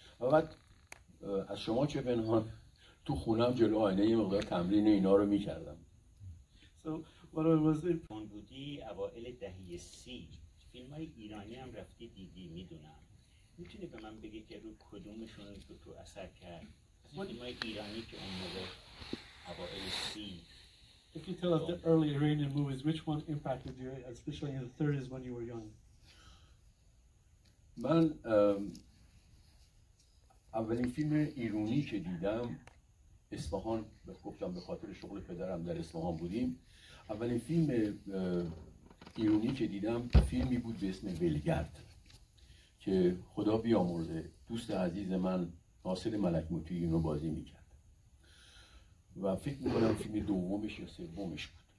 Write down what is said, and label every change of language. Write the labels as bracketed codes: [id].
[fa] و بعد از شما چه پنهان تو خونم جلو آینه یه مقدار تمرین اینا رو می‌کردم. اون بودی اوائل دهه 30 فیلم های ایرانی هم رفتی دیدی، میدونم میتونی به من بگی که رو کدومشون رو تو اثر کرد؟ فیلم های ایرانی که اون موقع اوائل 30 [en] If you tell us the early Iranian movies, which one impacted you, especially in the 30s when you were young? [fa] من اولین فیلم ایرانی که دیدم اصفهان، گفتم به خاطر شغل پدرم در اصفهان بودیم، اولین فیلم ایرانی که دیدم فیلمی بود به اسم ولگرد که خدا بیامرزه دوست عزیز من ناصر ملک موتی اینو بازی میکرد و فکر میکنم فیلم دومش یا سومش بود.